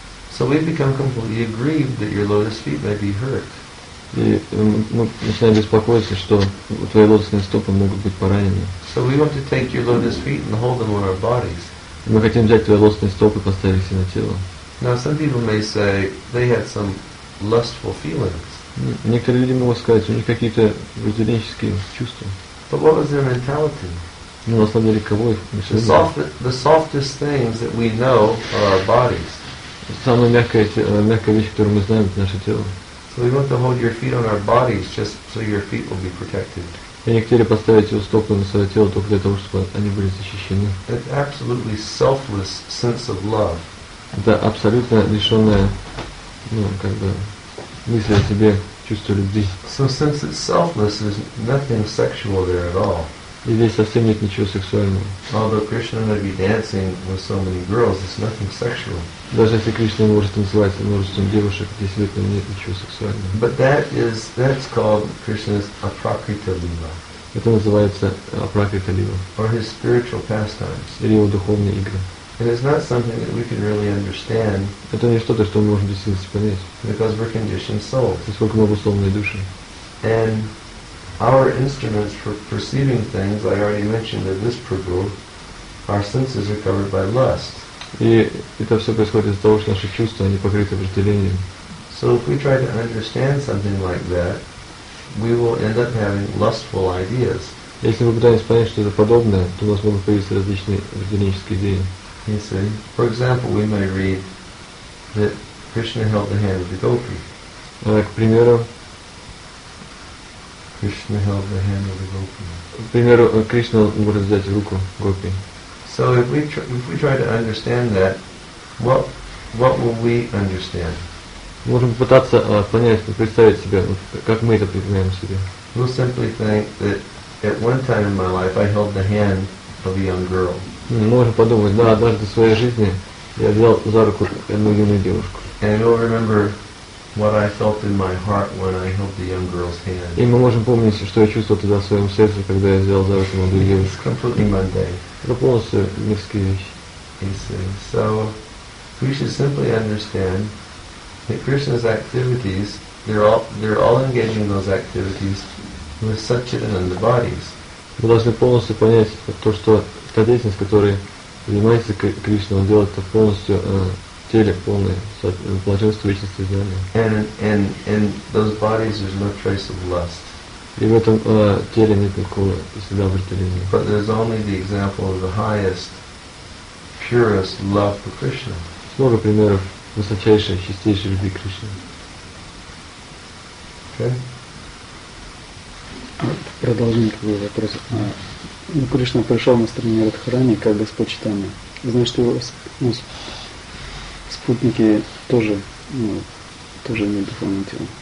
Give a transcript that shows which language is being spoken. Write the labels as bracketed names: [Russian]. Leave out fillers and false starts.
[English] So we become completely aggrieved that your lotus feet may be hurt. [Russian] И мы начинаем беспокоиться, что твои лотосные стопы могут быть поранены. [English] So we want to take your lotus feet and hold them on our bodies. [Russian] Мы хотим взять твои лотосные стопы и поставить их на тело. [English] Now some people may say they had some lustful feelings. [Russian] Некоторые люди могут сказать, у них какие-то вожделенческие чувства. [English] But what was their mentality? [Russian] Ну, на самом деле, кого их мешали? [English] The softest things that we know are our bodies. [Russian] Самая мягкая вещь, которую мы знаем, это наше тело. [English] So we want to hold your feet on our bodies just so your feet will be protected. [Russian] И некоторые поставят его стопы на свое тело только для того, чтобы они были защищены. [English] That absolutely selfless sense of love. [Russian] Это абсолютно лишенное, ну, как бы, мысли о себе, чувство любви. [English] So since it's selfless, there's nothing sexual there at all. [Russian] И здесь совсем нет ничего сексуального. [English] Although Krishna may be dancing with so many girls, it's nothing sexual. [Russian] Даже если Кришна может танцевать с множеством девушек, действительно нет ничего сексуального. [English] But that's called Krishna's aprakrita lila. [Russian] Это называется aprakrita lila. [English] Or his spiritual pastimes. [Russian] Или его духовные игры. [English] And it's not something that we can really understand. [Russian] Это не что-то, что мы можем действительно понять. [English] Because we're conditioned souls. [Russian] Поскольку мы обусловленные души. [English] And our instruments for perceiving things, I already mentioned that this prabhu, our senses are covered by lust. [Russian] И это все происходит из-за того, что наши чувства, они покрыты вожделением. [English] So if we try to understand something like that, we will end up having lustful ideas. [Russian] Если мы пытаемся понять что-то подобное, то у нас могут появиться различные вожделенческие идеи. [English] You see? For example, we may read that Krishna held the hand of the gopi. [Russian] К примеру, [English] Krishna held the hand of the gopi. [Russian] К примеру, Кришна может взять руку гопи. [English] So if we try to understand that, what will we understand? [Russian] Мы можем пытаться понять, представить себе, как мы это понимаем себе. [English] We'll simply think that at one time in my life I held the hand of a young girl. [Russian] Мы можем подумать, да, однажды в своей жизни я взял за руку одну юную девушку. [English] And we'll remember what I felt in my heart when I held the young girl's hand. [Russian] И мы можем помнить, что я чувствовал тогда в своем сердце, когда я взял за руку молодую девушку. [English] It's completely mundane. [Russian] Это полностью мирские вещи. [English] You see. So we should simply understand that Krishna's activities, they're all engaging those activities with such in the bodies. [Russian] Мы должны полностью понять то, что та деятельность, которой занимается Кришна, он делает это полностью теле, полное блаженство вечности знания. [English] And those bodies, there's no trace of lust. [Russian] И в этом теле нет никакого следа вожделения. [English] But there's only the example of the highest, purest love for Krishna. [Russian] Много примеров высочайшей, чистейшей любви к Кришне. [English] Okay. [Russian] Продолжим такой вопрос. Кришна пришел на стороне Радхарани как Господь Читания. Значит, его спутники тоже, тоже не духовное тело.